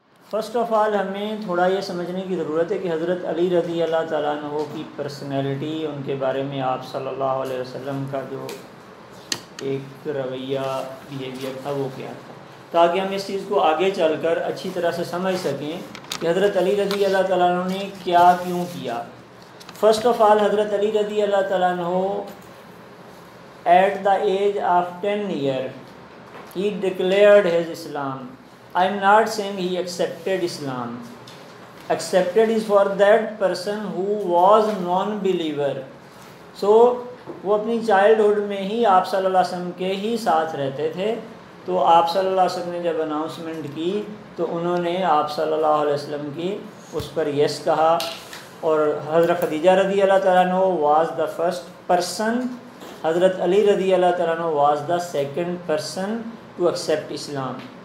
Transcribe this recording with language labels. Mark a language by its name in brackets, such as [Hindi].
[English] First of all, [Hindi] हमें थोड़ा ये समझने की ज़रूरत है कि हज़रत अली रज़ी अल्लाह ताला अन्हु की पर्सनैलिटी, उनके बारे में आप सल्लल्लाहु अलैहि वसल्लम का जो एक रवैया बिहेवियर था वो क्या था, ताकि हम इस चीज़ को आगे चलकर अच्छी तरह से समझ सकें कि हज़रत अली रज़ी अल्लाह ताला अन्हु ने क्या क्यों किया। [English] First of all, हज़रत अली रज़ी अल्लाह ताला अन्हु at the age of 10 year he declared his Islam. I am not saying he accepted Islam. Accepted is for that person who was non-believer. [Hindi] So वो अपनी childhood में ही आप सल्लल्लाहु अलैहि वसल्लम के ही साथ रहते थे, तो आप सल्लल्लाहु अलैहि वसल्लम ने जब अनाउंसमेंट की तो उन्होंने आप सल्लल्लाहु अलैहि वसल्लम की उस पर यस कहा, और हज़रत खदीजा रज़ी अल्लाह तआला अन्हु [English] was the first person, [Hindi] हज़रत अली रज़ी अल्लाह तआला अन्हु [English] Was the second person to accept Islam.